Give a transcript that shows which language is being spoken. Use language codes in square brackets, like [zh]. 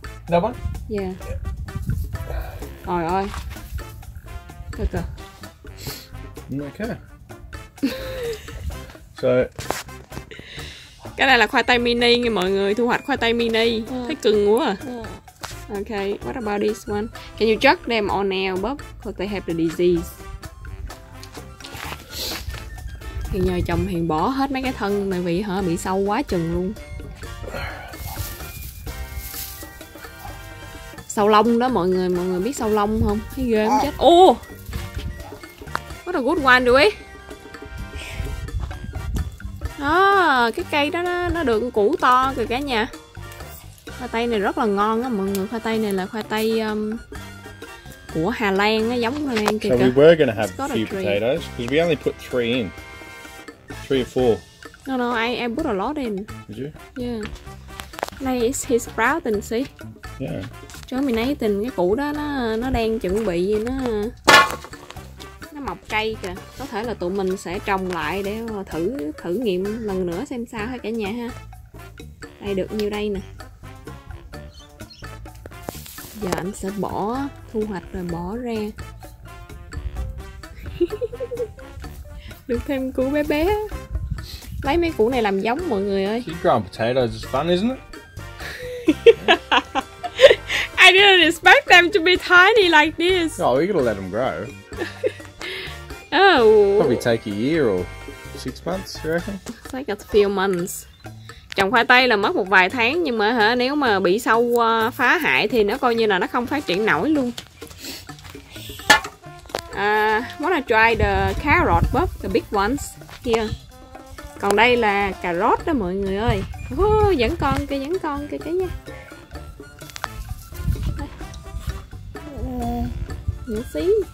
[vi] Đâu quá? Dạ. Trời ơi. Thôi kìa. Ok. So cái này là khoai tây mini nha mọi người, thu hoạch khoai tây mini. Thấy cưng quá à. [en] Ok, what about this one? Can you check them all now, Bob? Because they have the disease. [vi] Thì nhờ chồng Hiền bỏ hết mấy cái thân này vì hả bị sâu quá chừng luôn. Sâu lông đó mọi người biết sâu lông không? Thấy ghê không chết. [en] Oh! What a good one, do we? [vi] À, cái cây đó nó được củ to kìa cả nhà. Khoai tây này rất là ngon á mọi người. Khoai tây này là khoai tây của Hà Lan á, giống Hà Lan kìa. [en] So we were gonna have a few potatoes because we only put 3 in. 3 or 4. No, I put a lot in. Did you? Yeah. [vi] Này [en] is his sprouting, see? Yeah. [vi] Germinating, cái củ đó nó đang chuẩn bị nó mọc cây kìa. Có thể là tụi mình sẽ trồng lại để thử nghiệm lần nữa xem sao ha cả nhà ha. Đây được nhiêu đây nè. Giờ anh sẽ bỏ thu hoạch rồi bỏ ra. Được thêm củ bé bé. Lấy mấy củ này làm giống mọi người ơi. [en] Keep growing potatoes is fun, isn't it? I didn't expect them to be tiny like this. Oh, we gotta let them grow. Oh. Probably take a year or 6 months, you reckon? Take a few months. [vi] Trồng khoai tây là mất một vài tháng nhưng mà hả nếu mà bị sâu phá hại thì nó coi như là nó không phát triển nổi luôn. [en] Wanna try the carrot, Bob, the big ones here. [vi] Còn đây là cà rốt đó mọi người ơi. Vẫn con kia nha. Nhỏ xí.